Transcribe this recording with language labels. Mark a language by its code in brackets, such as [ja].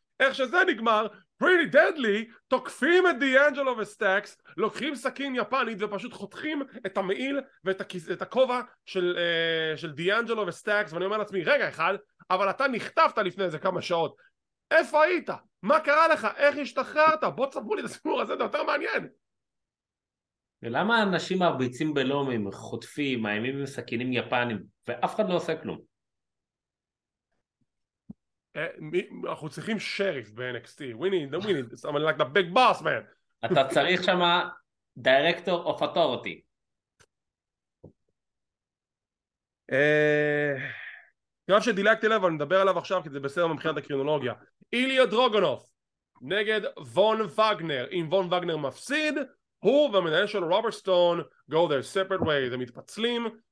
[he] איך שזה נגמר, פריטי דדלי, תוקפים את דיאנג'לו וסטאקס, לוקחים סכין יפנית ופשוט חותכים את המעיל ואת הכובע של דיאנג'לו וסטאקס, ואני אומר לעצמי, רגע אחד, אבל אתה נכתבת לפני איזה כמה שעות, איפה היית? מה קרה לך? איך השתחררת? בוא תספרו לי את הסיפור הזה, זה יותר מעניין. ולמה אנשים מרביצים בלומים, חוטפים, מאיימים עם סכינים יפנים, ואף אחד לא עושה כלום? אנחנו צריכים שריף ב-NXT. [en] We need someone like the big boss, man. [he] אתה צריך שם [en] director of authority. [he] אני חושב שדילגתי לב, אני מדבר עליו עכשיו, כי זה בסדר מבחינת הקרינולוגיה. איליה דרוגונוף נגד וון וגנר. אם וון וגנר מפסיד, הוא והמנהל של רוברט סטון [en] go their separate way. [he] זה מתפצלים.